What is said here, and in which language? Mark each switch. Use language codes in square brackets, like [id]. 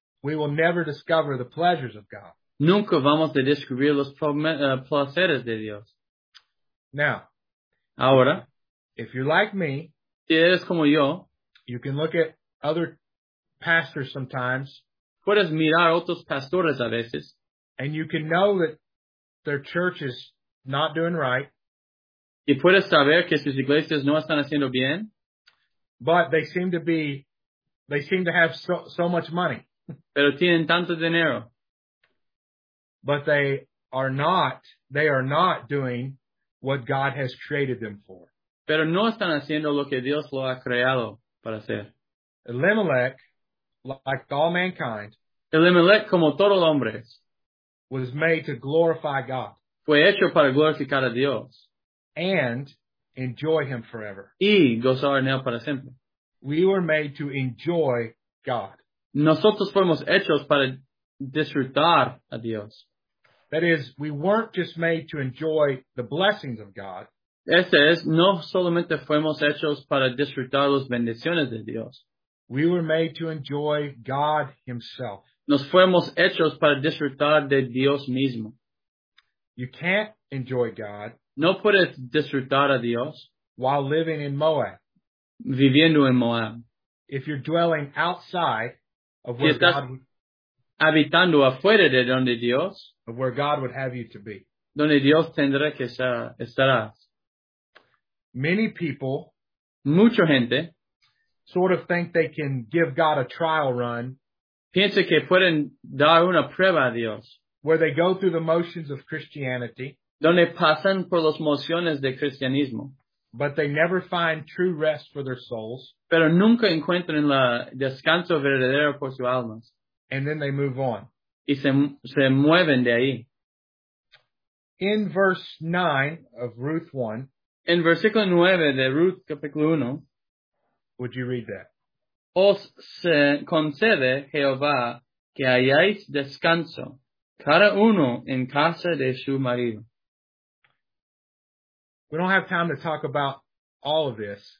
[en] we will never discover the pleasures of God. [es] Nunca vamos a descubrir los placeres de Dios. [en] Now, [es] ahora, [en] if you're like me, [es] si eres como yo, [en] you can look at other pastors sometimes. [es] Puedes mirar otros pastores a veces. [en] And you can know that their church is not doing right. [es] Y puedes saber que sus iglesias no están haciendo bien. [en] But they seem to have so much money. [es] Pero tienen tanto dinero. [en] But they are not doing what God has created them for. [es] Pero no están haciendo lo que Dios lo ha creado para hacer. [en] Elimelech, like all mankind, [es] Elimelech, como todos los hombres, [en] was made to glorify God. [es] Fue hecho para glorificar a Dios. [en] And enjoy him forever. [es] Y gozar en él para siempre. [en] We were made to enjoy God. [es] Nosotros fuimos hechos para disfrutar a Dios. [en] That is, we weren't just made to enjoy the blessings of God. [es] Este es, no solamente fuimos hechos para disfrutar las bendiciones de Dios. [en] We were made to enjoy God himself. [es] Nos fuimos hechos para disfrutar de Dios mismo. [en] You can't enjoy God. [es] No puedes disfrutar a Dios. [en] While living in Moab. [es] Viviendo en Moab. [en] If you're dwelling outside of where [es] si [en] God would [es] habitando afuera de donde Dios, [en] of where God would have you to be. [es] Donde Dios tendrá que estarás. [en] Many people, [es] mucha gente, [en] sort of think they can give God a trial run. [es] Piensa que pueden dar una prueba a Dios. [en] Where they go through the motions of Christianity. [es] Donde pasan por las mociones de cristianismo. [en] But they never find true rest for their souls. [es] Pero nunca encuentran el descanso verdadero por sus almas. [en] And then they move on. [es] Y se mueven de ahí. [en] In verse 9 of Ruth 1. [es] En versículo 9 de Ruth capítulo 1. [en] Would you read that? [es] Os se concede Jehová que hayáis descanso, cada uno en casa de su marido. [en] We don't have time to talk about all of this.